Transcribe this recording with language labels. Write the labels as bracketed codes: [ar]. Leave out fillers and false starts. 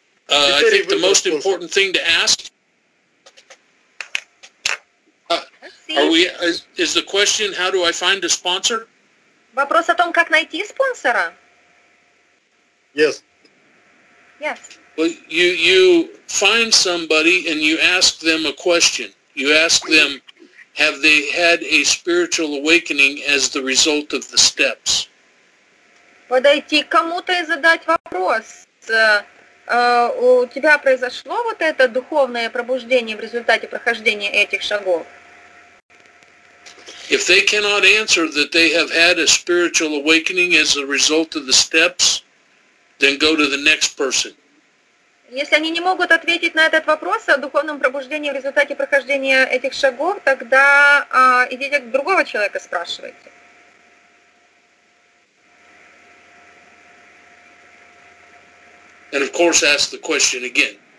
[en] I think the most important thing to ask is the question, how do I find a sponsor? [ru] Вопрос о том, как найти спонсора? [en] Yes. Yes. Well, you find somebody and you ask them a question. You ask them, have they had a spiritual awakening as the result of the steps? [ru] Подойти к кому-то и задать вопрос. У тебя произошло вот это духовное пробуждение в результате прохождения этих шагов? [en] If they cannot answer that they have had a spiritual awakening as a result of the steps, then go to the next person. [ru] Если они не могут ответить на этот вопрос о духовном пробуждении в результате прохождения этих шагов, тогда идите к другого человека, спрашивайте. [en] And of course, ask the question again.